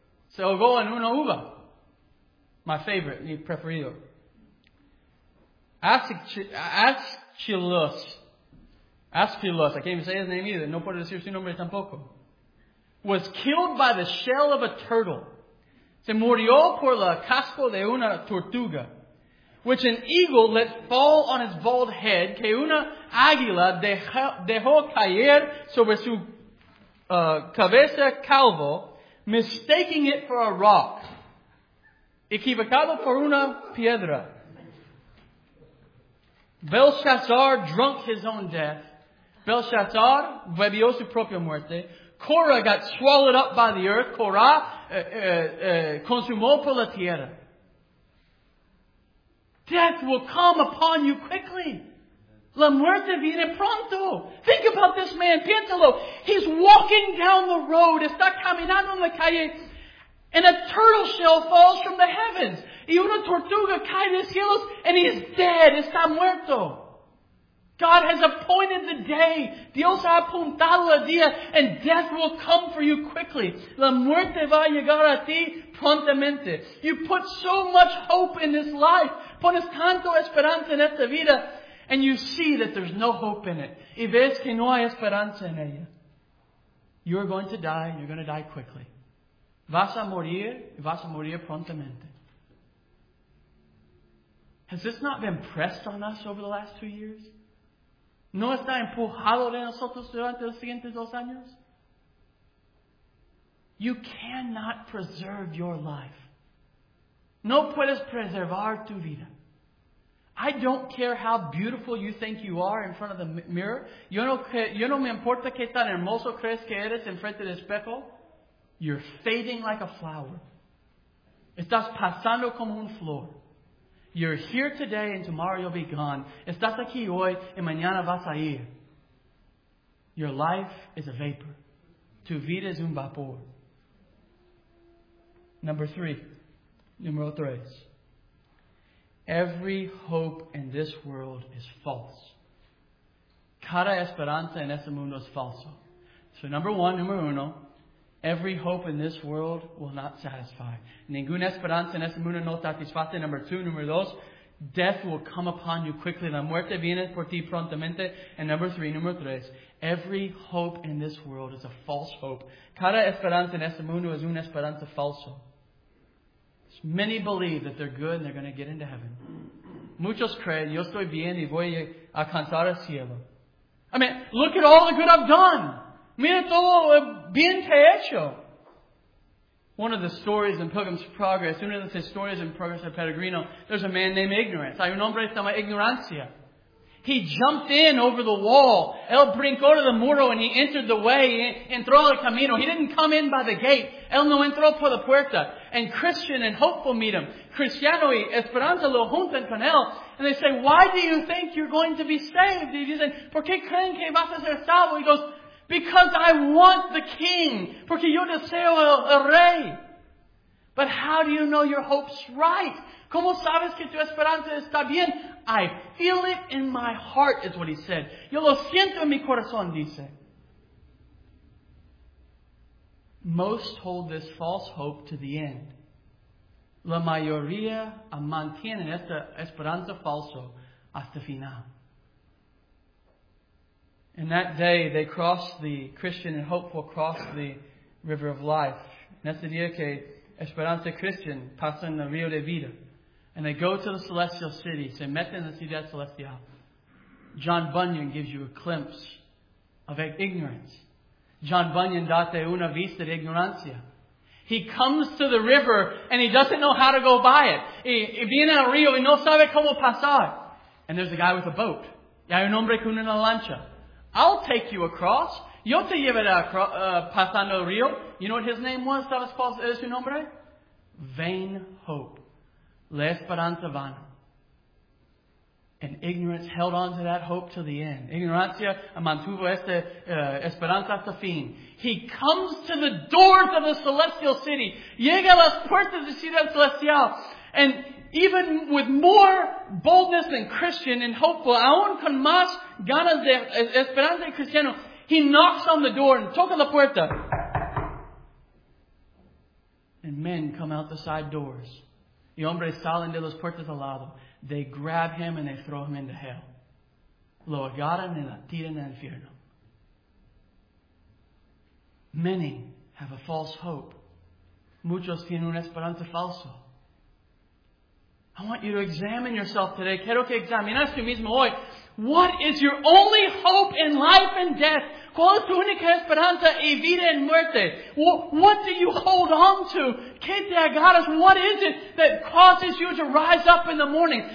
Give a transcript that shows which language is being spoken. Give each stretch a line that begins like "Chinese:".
Spanish: Se ahogó en una uva.
English: My favorite,
Spanish: mi preferido.
English: Aeschylus, I can't even say his name either.
Spanish: No puedo decir su nombre tampoco.
English: Was killed by the shell of a turtle.
Spanish: Se murió por la casco de una tortuga.
English: Which an eagle let fall on his bald head.
Spanish: Que una águila dejó caer sobre su cabeza calvo.
English: Mistaking it for a rock.
Spanish: Equivocado por una piedra.
English: Belshazzar drunk his own death. Belshazzar
Spanish: bebió su propia muerte.
English: Korah got swallowed up by the earth. Korah
Spanish: consumó por la tierra.
English: Death will come upon you quickly.
Spanish: La muerte viene pronto.
English: Think about this man.
Spanish: Piénsalo.
English: He's walking down the road.
Spanish: Está caminando en la calle.
English: And a turtle shell falls from the heavens.
Spanish: Y una tortuga cae de cielos.
English: And he is dead.
Spanish: Está muerto.
English: God has appointed the day.
Spanish: Dios ha apuntado el día.
English: And death will come for you quickly.
Spanish: La muerte va a llegar a ti prontamente.
English: You put so much hope in this life.
Spanish: Pones tanto esperanza en esta vida.
English: And you see that there's no hope in it.
Spanish: Y ves que no hay esperanza en ella.
English: You're going to die. And you're going to die quickly.
Spanish: Vas a morir. Y vas a morir prontamente.
English: Has this not been pressed on us over the last 2 years?
Spanish: ¿No está empujado de nosotros durante los siguientes 2 años?
English: You cannot preserve your life.
Spanish: No puedes preservar tu vida.
English: I don't care how beautiful you think you are in front of the mirror.
Spanish: Yo no me importa qué tan hermoso crees que eres en frente del espejo.
English: You're fading like a flower.
Spanish: Estás pasando como un flor.
English: You're here today and tomorrow you'll be gone.
Spanish: Estás aquí hoy y mañana vas a ir.
English: Your life is a vapor.
Spanish: Tu vida es un vapor. Número tres.
English: Every hope in this world is false.
Spanish: Cada esperanza en este mundo es falso. So número uno.
English: Every hope in this world will not satisfy.
Spanish: Ninguna esperanza en este mundo no satisface. Número dos,
English: death will come upon you quickly.
Spanish: La muerte viene por ti prontamente.
English: And
Spanish: número tres,
English: every hope in this world is a false hope.
Spanish: Cada esperanza en este mundo es una esperanza falsa.
English: Many believe that they're good and they're going to get into heaven.
Spanish: Muchos creen, yo estoy bien y voy a alcanzar el cielo.
English: I mean, look at all the good I've done.
Spanish: Mira todo bien que he hecho.
English: One of the stories in Pilgrim's Progress,
Spanish: una de las historias en Progreso Peregrino,
English: there's a man named Ignorance.
Spanish: Hay un hombre que se llama Ignorancia.
English: He jumped in over the wall.
Spanish: Él brincó de la muro
English: and he entered the way.
Spanish: He entró al camino.
English: He didn't come in by the gate.
Spanish: Él no entró por la puerta.
English: And Christian and Hopeful meet him.
Spanish: Cristiano y Esperanza lo juntan con él.
English: And they say, why do you think you're going to be saved?
Spanish: Y dicen, ¿por qué creen que vas a ser salvo?
English: He goes, because I want the king.
Spanish: Porque yo deseo el rey.
English: But how do you know your hope's right?
Spanish: ¿Cómo sabes que tu esperanza está bien?
English: I feel it in my heart, is what he said.
Spanish: Yo lo siento en mi corazón, dice.
English: Most hold this false hope to the end.
Spanish: La mayoría mantienen esta esperanza falso hasta final.
English: And that day, they crossed the Christian and Hopeful crossed the river of life.
Spanish: En ese día que Esperanza Christian pasa en el río de vida.
English: And they go to the celestial city.
Spanish: Se meten en la ciudad celestial.
English: John Bunyan gives you a glimpse of Ignorance.
Spanish: John Bunyan date una vista de ignorancia.
English: He comes to the river and he doesn't know how to go by it.
Spanish: Y viene al río y no sabe cómo pasar.
English: And there's a guy with a boat.
Spanish: Y hay un hombre con una lancha.
English: I'll take you across.
Spanish: Yo te llevaré pasando el río.
English: You know what his name was?
Spanish: ¿Sabes cuál es su nombre?
English: Vain hope.
Spanish: La esperanza vana.
English: And Ignorance held on to that hope till the end.
Spanish: Ignorancia mantuvo esta esperanza hasta fin.
English: He comes to the doors of the celestial city.
Spanish: Llega a las puertas de ciudad celestial.
English: And even with more boldness than Christian and Hopeful,
Spanish: aún con más ganas de esperanza y cristiano,
English: he knocks on the door and
Spanish: toca la puerta.
English: And men come out the side doors.
Spanish: Y hombres salen de las puertas al lado.
English: They grab him and they throw him into hell.
Spanish: Lo agarran y la tiran al infierno.
English: Many have a false hope.
Spanish: Muchos tienen una esperanza falsa.
English: I want you to examine yourself today.
Spanish: Quiero que examines tú mismo hoy.
English: What is your only hope in life and death?
Spanish: ¿Cuál es tu única esperanza y vida en muerte?
English: What do you hold on to?
Spanish: ¿Qué te agarras?
English: What is it that causes you to rise up in the morning?